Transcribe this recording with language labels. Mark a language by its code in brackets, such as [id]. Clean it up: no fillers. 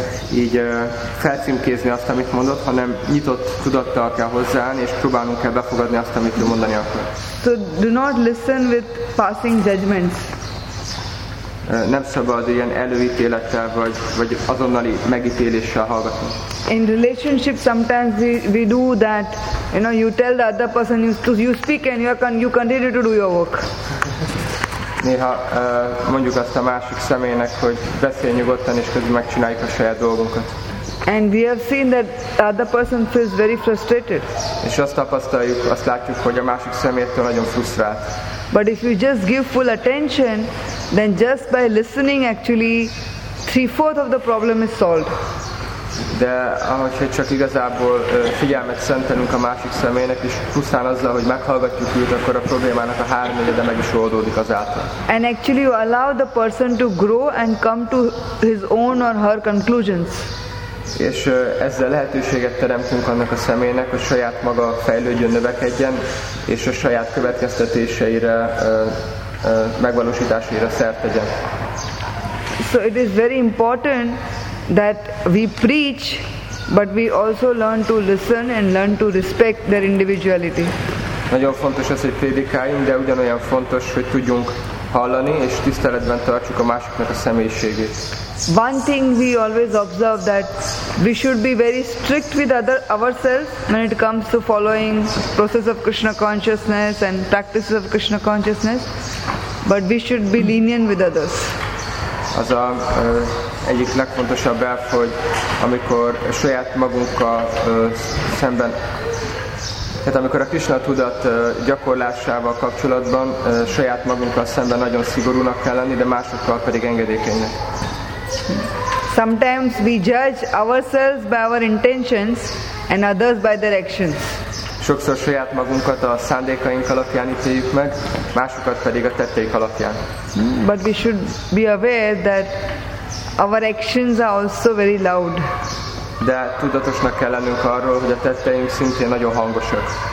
[hu] így felcímkézni azt, amit mondott, hanem nyitott tudattal kell hozzáállni, és próbálnunk kell befogadni azt, amit ő mondani akar. [en] So do not listen with passing judgments. [hu] Nem szabad ilyen előítélettel vagy azonnali megítéléssel hallgatni. [en] In relationship sometimes we do that, you know, you tell the other person you speak and you continue to do your work. [hu] Néha mondjuk azt a másik személynek, hogy beszélj nyugodtan, és közben megcsináljuk a saját dolgunkat. [en] And we have seen that the other person feels very frustrated. [hu] És azt tapasztaljuk, azt látjuk, hogy a másik személytől nagyon frusztrált. [en] But if you just give full attention, then just by listening actually 3/4 of the problem is solved. [hu] De ahogy csak igazából figyelmet szentelünk a másik személynek, és pusztán azzal, hogy meghallgatjuk őt, akkor a problémának a háromnegyede meg is oldódik azáltal. [en] And actually you allow the person to grow and come to his own or her conclusions. [hu] És ezzel lehetőséget teremtünk annak a személynek, hogy saját maga fejlődjön, növekedjen, és a saját következtetéseire, megvalósításaira szert tegyen. [en] So it is very important that we preach, but we also learn to listen and learn to respect their individuality. [hu] Nagyon fontos az, hogy prédikáljunk, de ugyanolyan fontos, hogy tudjunk hallani és tiszteletben tartsuk a másiknak a személyiségét. [en] One thing we always observe that we should be very strict with ourselves when it comes to following process of Krishna consciousness and practices of Krishna consciousness, but we should be lenient with others. [hu] Az a egyik legfontosabb elf, hogy amikor saját magunkkal szemben, tehát amikor a Krishna tudat gyakorlásával kapcsolatban saját magunkkal szemben nagyon szigorúnak kell lenni, de másokkal pedig engedékenynek. [en] Sometimes we judge ourselves by our intentions and others by their actions. [hu] Sokszor saját magunkat a szándékaink alapján ítéljük meg, másokat pedig a tetteik alapján. [en] But we should be aware that our actions are also very loud. [hu] De tudatosnak kell lennünk arról, hogy a tetteink szintén nagyon hangosak.